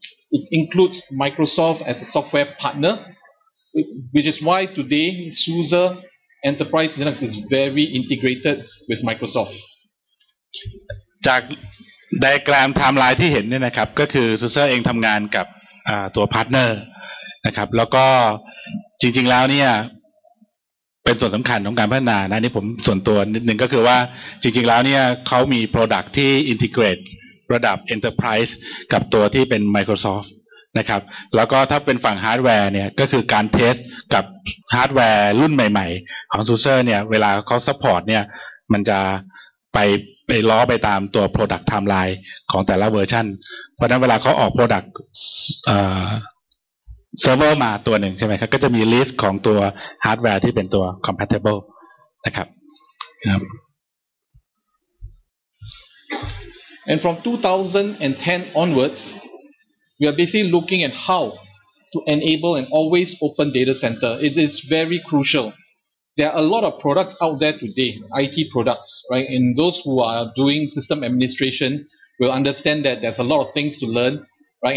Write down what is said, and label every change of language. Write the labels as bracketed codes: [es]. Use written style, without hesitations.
[en] It includes Microsoft as a software partner, which is why today SUSE Enterprise Linux is very integrated with Microsoft. [th] จากไดอะแกรมไทม์ไลน์ที่เห็นเนี่ยนะครับก็คือ SUSE เองทำงานกับตัวพาร์ทเนอร์นะครับแล้วก็จริงๆแล้วเนี่ยเป็นส่วนสำคัญของการพัฒนานะนี่ผมส่วนตัวนิดนึงก็คือว่าจริงๆแล้วเนี่ยเขามี product ที่ integrate ระดับ enterprise กับตัวที่เป็น Microsoft นะครับแล้วก็ถ้าเป็นฝั่งฮาร์ดแวร์เนี่ยก็คือการเทสกับฮาร์ดแวร์รุ่นใหม่ๆของ SUSE เนี่ยเวลาเขา support เนี่ยมันจะ ไปล้อไปตามตัว product timeline ของแต่ละเวอร์ชันเพราะนั้นเวลาเขาออก product server มาตัวหนึ่งใช่ไหมครับก็จะมี list ของตัว hardware ที่เป็นตัว compatible นะครับ [en] And from 2010 onwards we are basically looking at how to enable an always open data center. It is very crucial. There are a lot of products out there today, IT products, right? And those who are doing system administration will understand that there's a lot of things to learn, right?